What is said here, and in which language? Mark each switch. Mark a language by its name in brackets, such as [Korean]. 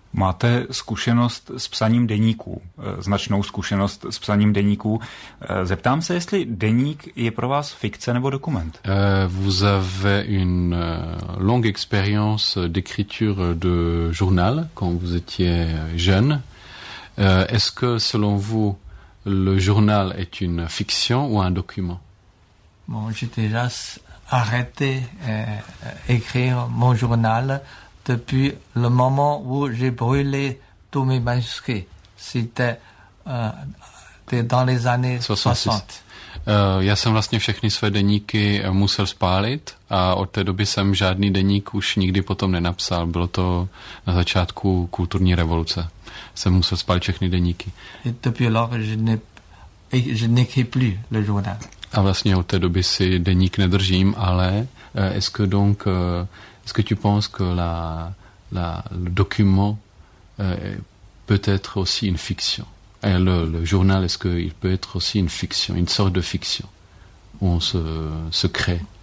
[Czech] Máte zkušenost s psaním deníků, značnou zkušenost s psaním deníků. Zeptám se, jestli deník je pro vás fikce nebo dokument. [French] Vous avez une longue expérience d'écriture de journal quand vous étiez jeune. Est-ce que selon vous le journal est une fiction ou un document? Bon, j'ai déjà arrêté écrire mon journal. Depuis le moment où j'ai brûlé tous mes manuscrits, c'était dans les années 60. [Czech] Já jsem vlastně všechny své deníky musel spálit a od té doby jsem žádný deník už nikdy potom nenapsal. Bylo to na začátku kulturní revoluce. Jsem musel spálit všechny deníky. [French] Et depuis lors, je n'écris plus le journal. [Czech] A vlastně od té doby si deník nedržím, ale [French] est-ce que tu penses que le document peut être aussi une fiction? Le journal, est-ce qu'il peut être aussi une fiction, une sorte de fiction où on se crée?